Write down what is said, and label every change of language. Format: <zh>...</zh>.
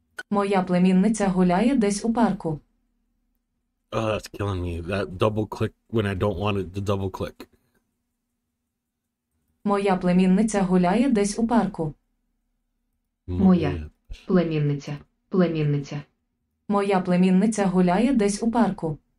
<uk>Моя племінниця гуляє десь у парку.</uk> <en>Oh, that's killing me. That double click when I don't want it to double click.</en> <uk>Моя племінниця гуляє десь у парку. Моя племінниця. Племінниця. Моя племінниця гуляє десь у парку.</uk>